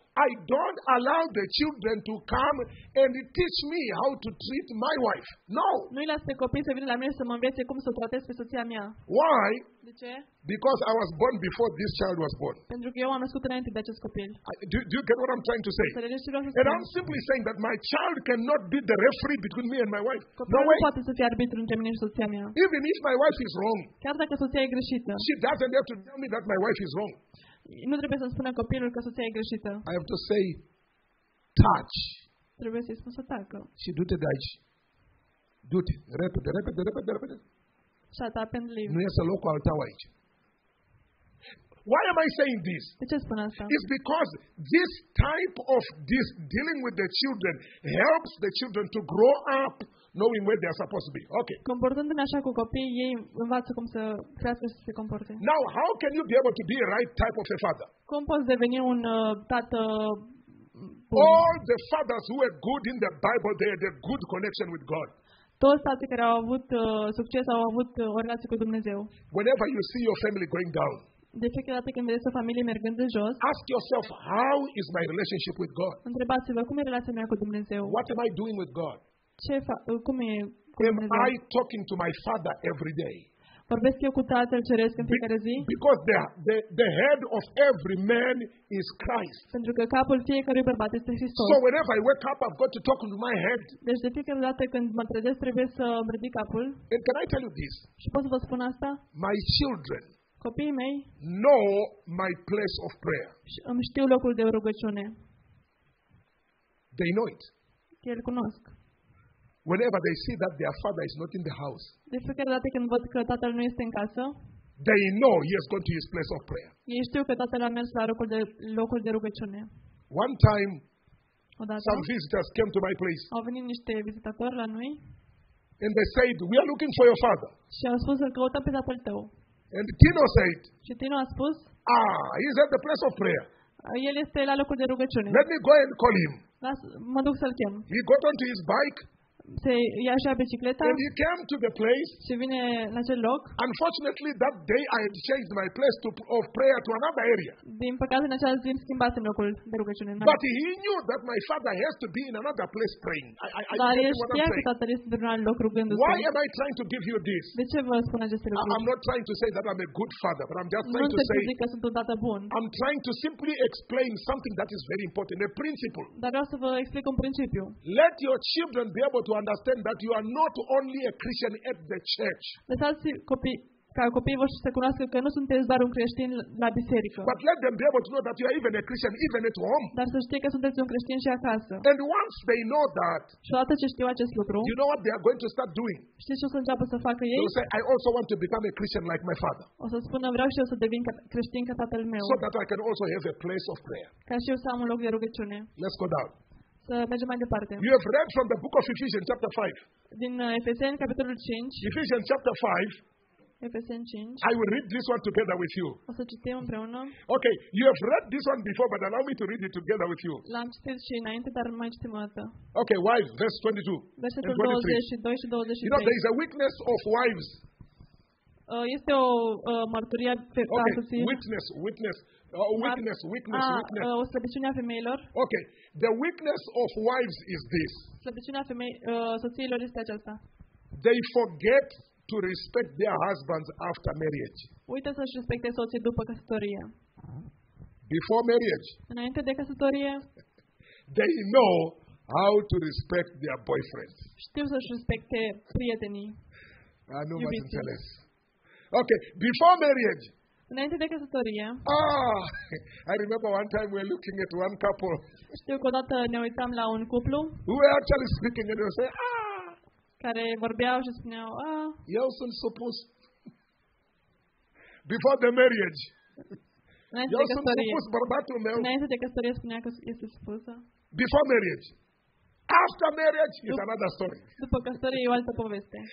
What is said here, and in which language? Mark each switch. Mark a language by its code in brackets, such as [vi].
[en] I don't allow the children to come and teach me how to treat my wife. No. [ro] Nu îi las pe copii să vină la mine să mă învețe cum să o tratez pe soția mea. [en] Why? [ro] De ce? [en] Because I was born before this child was born. [ro] Pentru că eu am născut înainte de acest copil. [en] Do you get what I'm trying to say? And I'm simply saying that my child cannot be the referee between me and my wife. No way. [ro] Copilul nu poate să fie arbitru între mine și soția mea. [en] Even if my wife is wrong. [ro] Chiar dacă soția e greșită. [en] She doesn't have to tell me that my wife is wrong. [ro] Nu trebuie să-mi spună copilul că soția e greșită. [en] I have to say, touch. [ro] Trebuie să-i spun să tacă. Și du-te de aici. Du-te. Repede, repede, repede, repede. [en] Shut up and leave. [ro] Nu este locul al tău aici. [en] Why am I saying this? [ro] De ce spun asta? [en] It's because this type of this dealing with the children helps the children to grow up knowing where they are supposed to be. Okay. [ro] Comportându-ne așa cu copii, ei învață cum să crească și să se comporte. [en] Now, how can you be able to be a right type of a father? [ro] Cum poți deveni un tată bun? [en] All the fathers who were good in the Bible, they had a good connection with God. [ro] Toți tații care au avut succes au avut o relație cu Dumnezeu. [en] Whenever you see your family going down, [ro] De fiecare dată când vedeți o familie mergând de jos, [en] ask yourself, how is my relationship with God? [ro] Întrebați-vă, cum e relația mea cu Dumnezeu? [en] What am I doing with God? [ro] Ce cum e cu [en] Dumnezeu? Am I talking to my father every day? [ro] Vorbesc eu cu Tatăl Ceresc în fiecare zi? [en] Because the head of every man is Christ. [ro] Pentru că capul fiecărui bărbat este Hristos. [en] So whenever I wake up, I've got to talk to my head. [ro] Deci de fiecare dată când mă trezesc, trebuie să îmi ridic capul. [en] And can I tell you this? [ro] Și pot să vă spun asta? [en] My children, [ro] copiii mei, [en] know my place of prayer. [ro] Îmi știu locul de rugăciune. [en] They know it. [ro] Că îl cunosc. [en] Whenever they see that their father is not in the house, [ro] de fiecare dată când văd că tatăl nu este în casă, [en] they know he has gone to his place of prayer. [ro] Ei știu că tatăl a mers la locul de rugăciune. [en] One time, [ro] odată, [en] some visitors came to my place. [ro] Au venit niște vizitatori la noi. [en] And they said, we are looking for your father. [ro] Și au spus, îl căutăm pe tatăl tău. [en] And Tino said, [ro] și Tino a spus, [en] ah, he's at the place of prayer. [ro] El este la locul de rugăciune. [en] Let me go and call him. [ro] Mă duc să-l chem. [en] He got onto his bike. [ro] Se ia și a bicicleta. [en] And he came to the place. [ro] Și vine la acel loc. [en] Unfortunately, that day I had changed my place of prayer to another area. [ro] Din păcate, în acea zi am schimbat locul de rugăciune. [en] But he knew that my father has to be in another place praying. [ro] Dar el știa că tatăl este într-un loc rugându-se. [en] Why am I trying to give you this? [ro] De ce vă spun aceste lucruri? [en] I'm not trying to say that I'm a good father, but I'm just trying to say. [ro] Nu zic că sunt un tată bun. [en] I'm trying to simply explain something that is very important, a principle. [ro] Dar vreau să vă explic un principiu. [en] Let your children be able to understand that you are not only a Christian at the church. [ro] Lăsați copiii voștri să cunoască că nu sunteți doar un creștin la biserică. [en] But let them be able to know that you are even a Christian even at home. [ro] Dar să știe că sunteți un creștin și acasă. [en] And once they know that, [ro] și odată ce știu acest lucru, [en] you know what they are going to start doing? [ro] Știți ce o să înceapă să facă ei? [en] They'll say, I also want to become a Christian like my father. [ro] O să spună, vreau și eu să devin creștin ca tatăl meu. [en] So that I can also have a place of prayer. [ro] Ca și eu să am un loc de rugăciune. [en] Let's go down. [ro] Să mergem mai departe. [en] You have read from the book of Ephesians chapter 5. [ro] Din Efeseni capitolul 5. [en] Ephesians chapter 5. [ro] Efeseni 5. [en] I will read this one together with you. [ro] O să citim împreună. [en] Okay, you have read this one before, but allow me to read it together with you. [ro] L-am citit și înainte, dar mai citim o dată. [en] Okay, wives, verse 22. [ro] Versetul 22 și 23. [en] You know, there is a witness of wives. [ro] Este o mărturie a soției. [en] Okay, witness. Witness. [ro] O slăbiciune a femeilor. [en] Okay. The weakness of wives is this. [ro] Slăbiciunea soțiilor este aceasta. [en] They forget to respect their husbands after marriage. [ro] Uită să-și respecte soții după căsătorie. [en] Before marriage. [ro] Înainte de căsătorie. [en] They know how to respect their boyfriends. [ro] Știu să-și respecte prietenii. Ah, nu mă înțeles. Okay. [en] Before marriage. [ro] Înainte de căsătorie. [en] Ah, I remember one time we were looking at one couple. [ro] Știu că odată ne uitam la un cuplu. [en] Who were actually speaking and they say, ah. [ro] Care vorbeau și spuneau, ah. Eu sunt supus. [en] Before the marriage. [ro] Înainte de căsătorie. Eu sunt supus bărbatul meu. Înainte de căsătorie spunea că este supusă. [en] Before marriage. After marriage is another story. [ro] După căsătorie e o altă poveste.